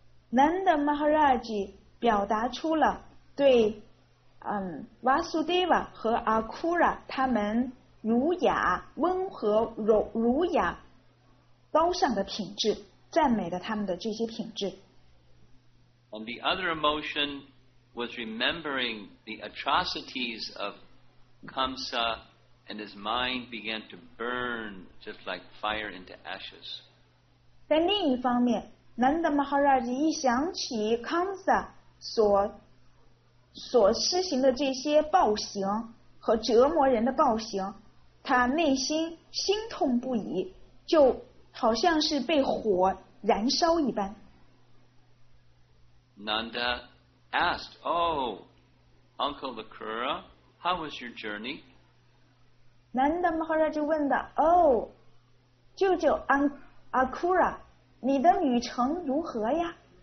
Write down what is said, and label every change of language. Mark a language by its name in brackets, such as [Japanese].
[Chinese] Nanda Maharaj 表达出了对Vasudeva 和 Akura 他们儒雅温和儒雅高尚的品质，赞美了他们的这些品质。 [English] And the other emotion was remembering the atrocities of Kamsa, and his mind began to burn just like fire into ashes. [Chinese] 在另一方面，南德马哈拉吉一想起康萨所施行的这些暴行和折磨人的暴行，他内心心痛不已，就好像是被火燃烧一般。 [English] Nanda asked, "Oh, Uncle Akura, how was your journey?" [Chinese] 南德马哈拉吉问的 "Oh, 舅舅Akura。" 你的旅程如何呀？